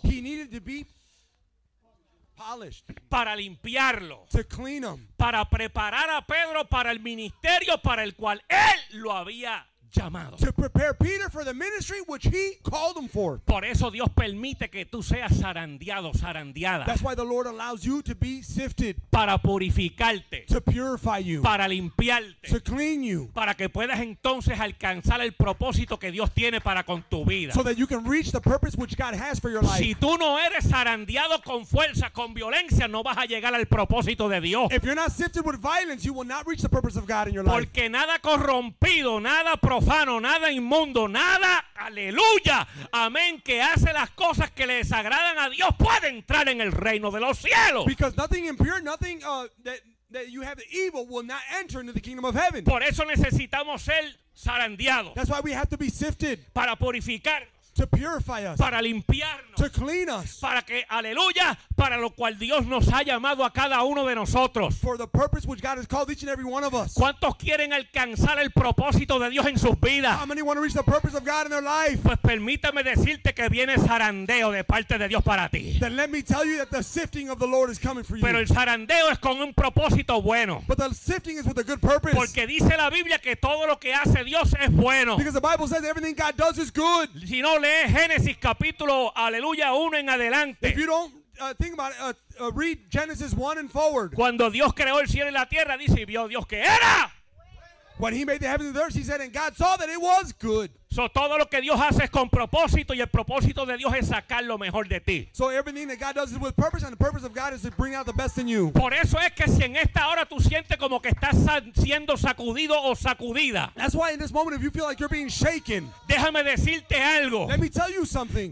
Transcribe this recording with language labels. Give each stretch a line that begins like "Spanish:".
English: He needed to be polished.
Spanish: Para limpiarlo.
English: To clean him.
Spanish: Para preparar a Pedro para el ministerio para el cual él lo había llamado.
English: To prepare Peter for the ministry which he called him for.
Spanish: Por eso Dios permite que tú seas zarandeado, zarandeada.
English: That's why the Lord allows you to be sifted.
Spanish: Para purificarte.
English: To purify you.
Spanish: Para limpiarte.
English: To clean you.
Spanish: Para que puedas entonces alcanzar el propósito que Dios tiene para con tu vida.
English: So that you can reach the purpose which God has for your life.
Spanish: Si tú no eres zarandeado con fuerza, con violencia, no vas a llegar al propósito de Dios.
English: If you're not sifted with violence, you will not reach the purpose of God in your life.
Spanish: Porque nada corrompido, nada profano, nada inmundo, nada, aleluya, amén, que hace las cosas que le desagradan a Dios, puede entrar en el reino de los cielos.
English: Because nothing impure, nothing that you have the evil will not enter into the kingdom of heaven.
Spanish: Por eso necesitamos ser zarandeados.
English: That's why we have to be sifted.
Spanish: Para purificar.
English: To purify us.
Spanish: Para limpiarnos.
English: To clean us.
Spanish: Para que, aleluya, para lo cual Dios nos ha llamado a cada uno de nosotros.
English: For the purpose which God has called each and every one of us.
Spanish: ¿Cuántos quieren alcanzar el propósito de Dios en sus vidas?
English: How many want to reach the purpose of God in their life?
Spanish: Pues permítame decirte que viene zarandeo de parte de Dios para ti.
English: Then let me tell you that the sifting of the Lord is coming for you.
Spanish: Pero el zarandeo es con un propósito bueno.
English: But the sifting is with a good purpose.
Spanish: Porque dice la Biblia que todo lo que hace Dios es bueno.
English: Because the Bible says everything God does is good.
Spanish: Si no lee Génesis capítulo, aleluya, 1 en adelante.
English: If you don't think about it, read Genesis 1 and forward.
Spanish: Cuando Dios creó el cielo y la tierra, dice, y vio Dios que era.
English: When he made the heavens and the earth, he said, and God saw that it was good.
Spanish: So todo lo que Dios hace es con propósito, y el propósito de Dios es sacar lo mejor de ti.
English: So everything that God does is with purpose, and the purpose of God is to bring out the best in you.
Spanish: Por eso es que si en esta hora tú sientes como que estás siendo sacudido o sacudida.
English: That's why in this moment, if you feel like you're being shaken.
Spanish: Déjame decirte algo.
English: Let me tell you something.